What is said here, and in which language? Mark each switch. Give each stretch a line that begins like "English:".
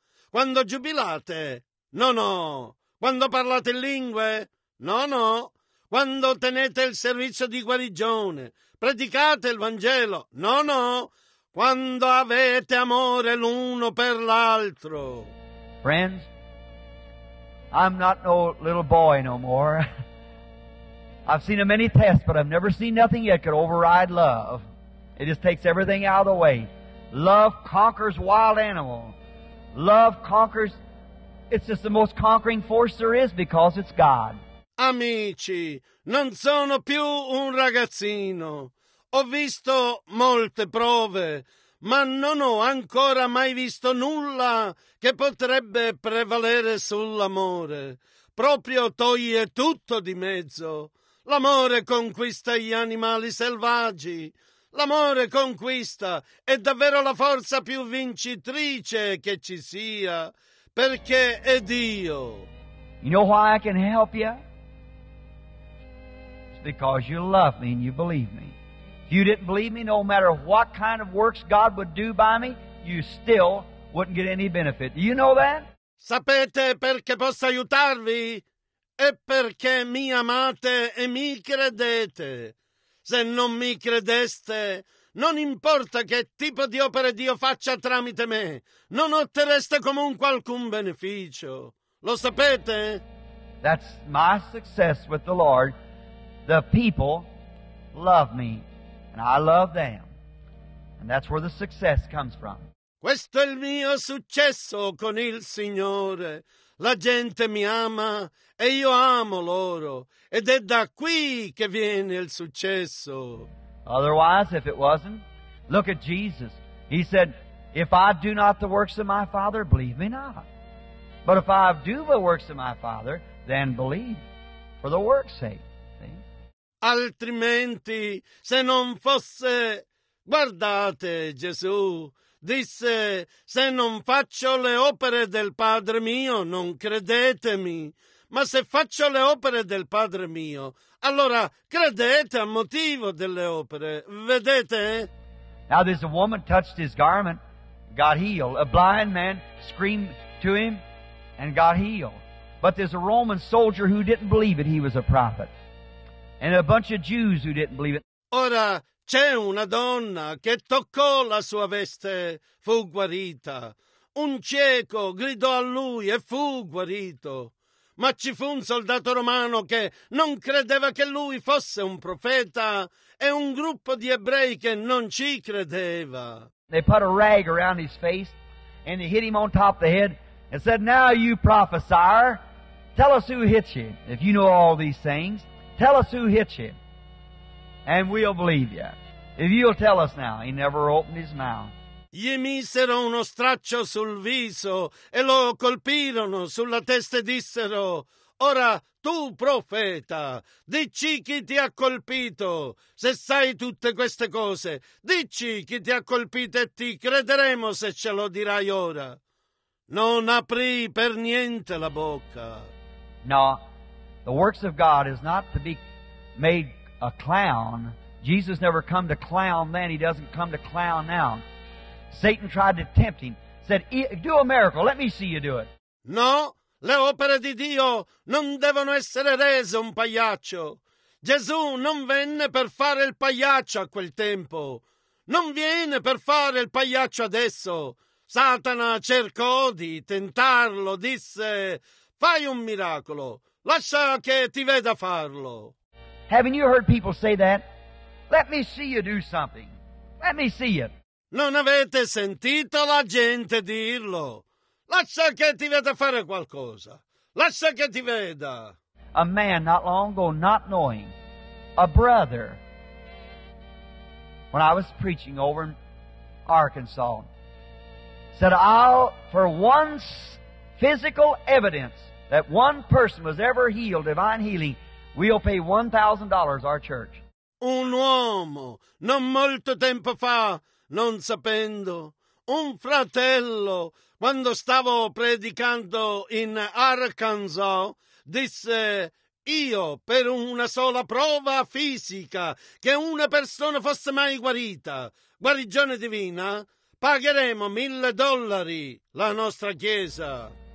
Italian: Quando giubilate? Quando parlate in lingue? Quando tenete il servizio di guarigione? Predicate il Vangelo? Quando avete amore l'uno per l'altro?
English: Friends, I'm not no little boy no more. I've seen a many tests, but I've never seen nothing yet could override love. It just takes everything out of the way. Love conquers wild animal. Love conquers. It's just the most conquering force there is because it's God.
Italian: Amici, non sono più un ragazzino. Ho visto molte prove, ma non ho ancora mai visto nulla che potrebbe prevalere sull'amore. Proprio toglie tutto di mezzo. L'amore conquista gli animali selvaggi. L'amore conquista è davvero la forza più vincitrice che ci sia, perché è Dio.
English: You know why I can help you? It's because you love me and you believe me. If you didn't believe me, no matter what kind of works God would do by me, you still wouldn't get any benefit. Do you know that?
Italian: Sapete perché posso aiutarvi? È perché mi amate e mi credete. se non mi credeste. Non importa che tipo di opere Dio faccia tramite me, non ottereste comunque alcun beneficio. Lo sapete?
English: That's my success with the Lord. The people love me, and I love them. And that's where the success comes from.
Italian: Questo è il mio successo con il Signore. La gente mi ama e io amo loro. Ed è da qui che viene il successo.
English: Otherwise, if it wasn't, look at Jesus. He said, if I do not the works of my Father, believe me not. But if I do the works of my Father, then believe for the work's sake. See?
Italian: Altrimenti, se non fosse... Guardate, Gesù... Disse, se non faccio le opere del Padre mio, non credetemi. Ma se faccio le opere del Padre mio, allora credete a motivo delle opere. Vedete?
English: Now this woman touched his garment, got healed. A blind man screamed to him and got healed. But there's a Roman soldier who didn't believe it, he was a prophet. And a bunch of Jews who didn't believe it.
Italian: Ora, c'è una donna che toccò la sua veste, fu guarita. Un cieco gridò a lui e fu guarito. Ma ci fu un soldato romano che non credeva che lui fosse un profeta e un gruppo di ebrei che non ci credeva.
English: They put a rag around his face and they hit him on top of the head and said, now you prophesier, tell us who hit you. If you know all these things, tell us who hit you. And we'll believe you. If you'll tell us now, he never opened his mouth.
Italian: Gli misero uno straccio sul viso e lo colpirono sulla testa e dissero, ora tu, profeta, dici chi ti ha colpito. Se sai tutte queste cose, dici chi ti ha colpito e ti crederemo se ce lo dirai ora. Non aprì per niente la bocca.
English: No, the works of God is not to be made a clown. Jesus never come to clown then. He doesn't come to clown now. Satan tried to tempt him. Said, do a miracle. Let me see you do it.
Italian: No, le opere di Dio non devono essere rese un pagliaccio. Gesù non venne per fare il pagliaccio a quel tempo. Non viene per fare il pagliaccio adesso. Satana cercò di tentarlo. Disse, fai un miracolo. Lascia che ti veda farlo.
English: Haven't you heard people say that? Let me see you do something. Let me see it.
Italian: Non avete sentito la gente dirlo? Lascia che ti veda fare qualcosa. Lascia che ti veda.
English: A man not long ago, not knowing, a brother, when I was preaching over in Arkansas, said, I'll, for one physical evidence that one person was ever healed, divine healing, we'll pay $1,000 our church.
Italian: Un uomo, non molto tempo fa, non sapendo, un fratello, quando stavo predicando in Arkansas, disse, io per una sola prova fisica che una persona fosse mai guarita, guarigione divina, pagheremo $1,000 la nostra chiesa.